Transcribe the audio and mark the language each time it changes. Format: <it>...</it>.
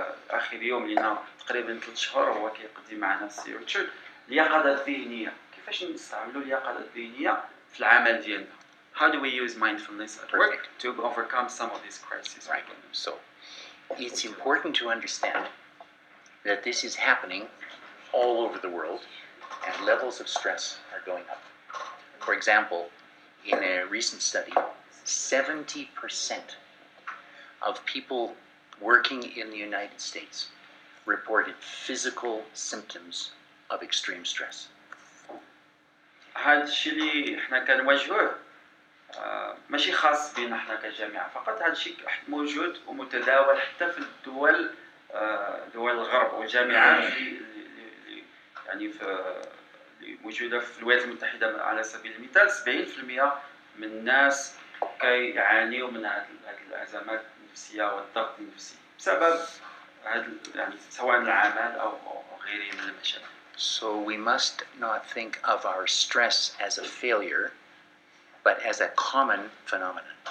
<ar>آخر يوم لنا تقريبا 3 شهور هو كيقضي معنا السي ريتشارد اليقظة الذهنية كيفاش نستعملوا اليقظة الذهنية في العمل ديالنا.</ar> <en>How do we use mindfulness at work to overcome some of these crises? Right. So, it's important to understand that this is happening all over the world and levels of stress are going up. For example, in a recent study, 70% of people working in the United States reported physical symptoms of extreme stress.</en> <ar>هاد الشيء اللي حنا كنواجهوه ماشي خاص بينا حنا كجامعة فقط هاد الشيء موجود ومتداول حتى في الدول دول الغرب والجامعات اللي يعني في موجودة في الولايات المتحدة على سبيل المثال 70% من الناس كيعانيوا من هاد الأزمات النفسية والضغط النفسي بسبب هاد يعني سواء العمل أو غيره من المشاكل.</ar> <en>So we must not think of our stress as a failure, but as a common phenomenon.</en>